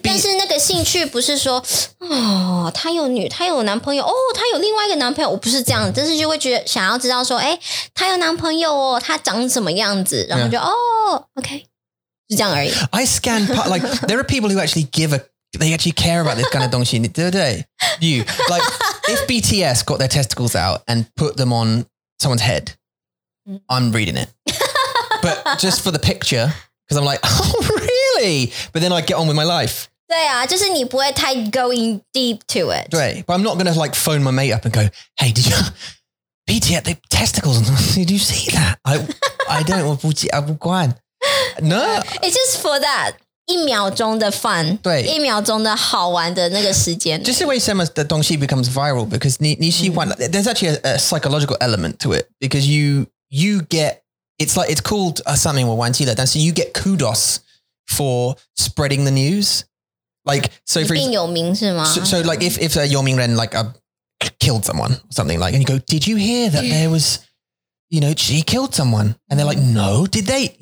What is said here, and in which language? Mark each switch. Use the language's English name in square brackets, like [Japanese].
[Chinese] 但是那个兴趣不是说、哦、他有女他有男朋友、哦、他有另外一个男朋友。我不是这样，但是就会觉得想要知道说、欸、他有男朋友哦，他长什么样子，然后就、yeah. 哦 OK 是这样而已。 [English] I scan part, like, there are people who actually give a, they actually care about this kind of [Chinese] 东西，对不对？ [English] You, like, if BTS got their testicles out and put them on someone's head, I'm reading it. But just for the picture, because I'm like, oh, really? But then I get on with my life. [Chinese] 对啊，就是你不会太 [English] going deep to it. 对， but I'm not going to like phone my mate up and go, hey, did you, BTS, the testicles, did you see that? I don't, [Chinese] 我不记得，我不管。 [English] No. It's just for that, [Chinese] 一秒钟的 [English] fun. [Chinese] 对。一秒钟的好玩的那个时间。就是为什么的东西 [English] becomes viral, because [Chinese] 你喜欢、mm. [English] there's actually a psychological element to it, because you get, it's like, it's called、something, [Chinese] 我忘记了，但是 [English] you get kudos. For spreading the news, like so, for [Chinese] 一定有名是吗？ [English] So like if a [Chinese] 有名人 [English] like a killed someone or something like, and you go, did you hear that there was, you know, she killed someone, and they're like, no, did they?